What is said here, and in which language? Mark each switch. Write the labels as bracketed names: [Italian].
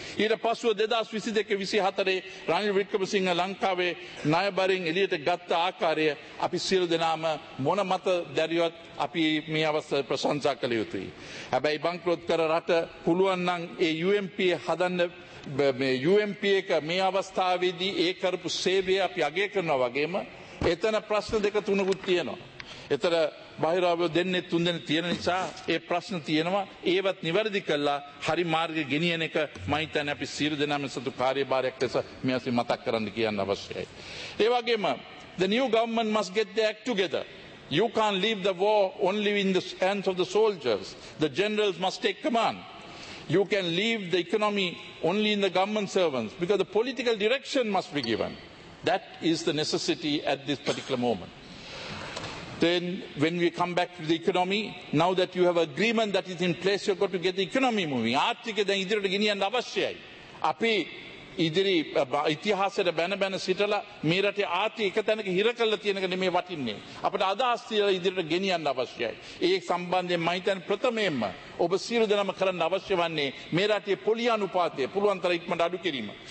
[Sinhala] ඊට පසුව 2022-24 රනිල් වික්‍රමසිංහ ලංකාවේ ණයබරින් එළියට ගත්ත ආකාරය අපි සියලු දෙනාම මොන මත දැරියවත් අපි මේ අවස්ථාවේ ප්‍රශංසා කළ යුතුයි. හැබැයි බංක්‍රොත් කර රට පුළුවන් නම් ඒ UMPA හදන්න මේ UMPA එක මේ අවස්ථාවේදී ඒ කරපු සේවය අපි අගය කරනවා වගේම එතන ප්‍රශ්න දෙක තුනකුත් තියෙනවා. එතර බහිරාවය දෙන්නේ තුන්දෙනෙක් තියෙන නිසා ඒ ප්‍රශ්න තියෙනවා ඒවත් නිවැරදි කළා හරි මාර්ගය ගෙනියන එක මම හිතන්නේ අපි සියලු දෙනාම සතු කාර්යභාරයක් ලෙස මේ අපි මතක් කරන්න කියන්න අවශ්‍යයි ඒ වගේම [English] the new government must get the act together you can't leave the war only in the hands of the soldiers the generals must take command you can leave the economy only in the government servants because the political direction must be given that is the necessity at this particular moment Then when we come back to the economy, now that you have agreement that is in place, you've got to get the economy moving. [Sinhala] ආර්ථිකය දැන් ඉදිරියට ගෙනියන්න අවශ්‍යයි. අපි ඉදිරි ඉතිහාසයට බැන බැන සිටලා මේ රටේ ආර්ථික එක තැනක හිර කරලා තියෙනක නෙමෙයි වටින්නේ. අපිට අදහස් තියලා ඉදිරියට ගෙනියන්න අවශ්‍යයි. ඒ සම්බන්ධයෙන් මම හිතන්නේ ප්‍රථමයෙන්ම ඔබ සියලු දෙනාම කරන්න අවශ්‍ය වන්නේ මේ රටේ පොලිය අනුපාතය පුළුවන් තරම් ඉක්මනට අඩු කිරීම.